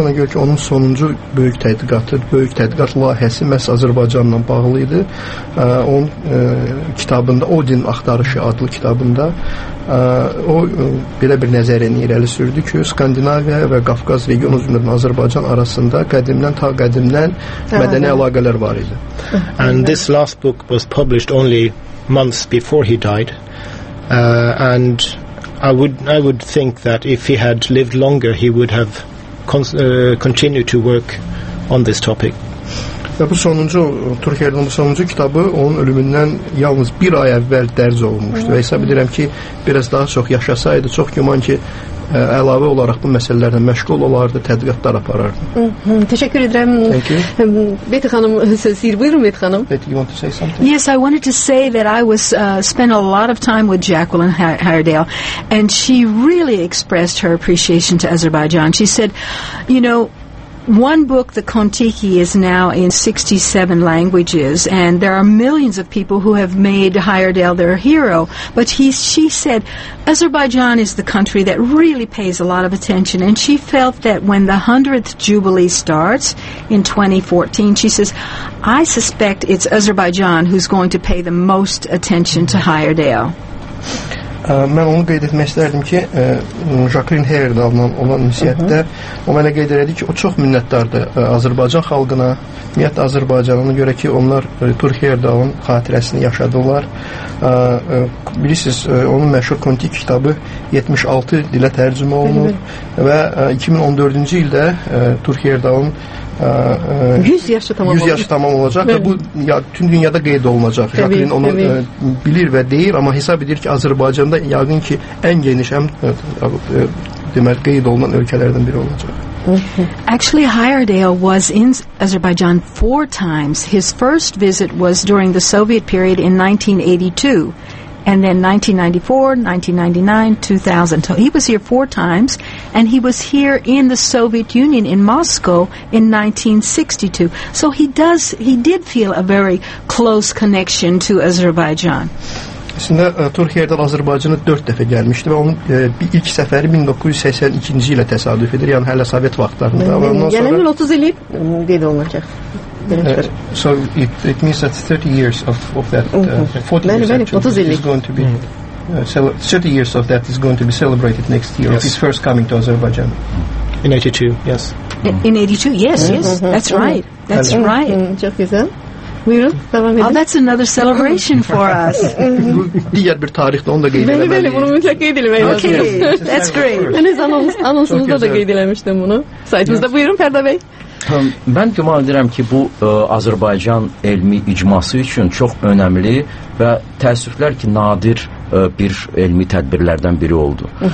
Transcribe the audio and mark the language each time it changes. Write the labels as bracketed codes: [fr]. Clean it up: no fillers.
[az] Ona görə ki, onun sonuncu böyük tədqiqatı, böyük tədqiqat layihəsi məhz Azərbaycanla bağlı idi. Onun kitabında, Odin Axtarışı adlı kitabında o belə bir nəzəriyyəni irəli sürdü ki, Skandinaviya və Qafqaz regionu üzrünün Azərbaycan arasında qədimdən ta qədimdən mədəni əlaqələr var idi. [en] And this last book was published only months before he died, and I would think that if he had lived longer, he would have continued to work on this topic. [az] Bu sonuncu, Turk Heyerdal'ın sonuncu kitabı onun ölümündən yalnız bir ay əvvəl dərc olunmuşdu. Və hesab edirəm ki, biraz daha çox yaşasaydı, çox güman ki, əlavə olaraq bu məsələlərlə məşğul olardı, tədqiqatlar aparardı. Təşəkkür edirəm. [en] Thank you. [az] Betty xanım, siz deyir, buyurun Betty xanım. [en] Betty, you want to say something? Yes, I wanted to say that I was spent a lot of time with Jacqueline Heyerdal, and she really expressed her appreciation to Azerbaijan. She said, you know, one book, the Kon-Tiki, is now in 67 languages, and there are millions of people who have made Heyerdal their hero. But she said, Azerbaijan is the country that really pays a lot of attention, and she felt that when the 100th Jubilee starts in 2014, she says, I suspect it's Azerbaijan who's going to pay the most attention to Heyerdal. [az] Mən onu qeyd etmək istərdim ki, Jacqueline Heyerdal'dan olan ünsiyyətdə o mənə qeyd elədi ki, o çox minnətdardır Azərbaycan xalqına, ümumiyyətlə Azərbaycanına görə ki, onlar Turk Heyerdal'ın xatirəsini yaşadılar. Bilirsiniz, onun məşhur Kon-Tiki kitabı 76 dilə tərcümə olunur və 2014-cü ildə Turk Heyerdal'ın 100 yaşı tamam olacaq və bu tüm dünyada qeyd olunacaq. Jacqueline onu bilir və deyir, amma hesab edir ki, Azərbaycanda yaqın ki, ən geniş, deməli, qeyd olunan ölkələrdən biri olacaq. [en] Actually, Heyerdal was in Azerbaijan 4 times. His first visit was during the Soviet period in 1982. And then 1994, 1999, 2000. So he was here 4 times, and he was here in the Soviet Union in Moscow in 1962. So he did feel a very close connection to Azerbaijan. [az] Əslində, Turk Heyerdal Azərbaycana 4 dəfə gəlmişdi və onun ilk səfəri 1982-ci ilə təsadüf edir, yəni hələ Sovet vaxtlarında. Yəni, 30 il qeyd olunacaq. [en] So it means that 30 years of that 40 years is going to be 30 years of that is going to be celebrated next year, yes, of his first coming to Azerbaijan in 82, yes. In 82, yes, yes, that's right. That's right. [az] Çox güzel. Buyurun, devam edin. [en] Oh, that's another celebration for us. [az] Bu diğer bir tarihte onu da qeyd eləməliyik. Bəli, bunu mütləq qeyd eləmək lazımdır. [en] Okay, that's great. [az] Mən öz anonsunuzda da qeyd eləmişdim bunu. Saytımızda, buyurun Fərda bəy. Mən güman edirəm ki, bu Azərbaycan elmi icması üçün çox önəmli və təəssüflər ki, nadir bir elmi tədbirlərdən biri oldu.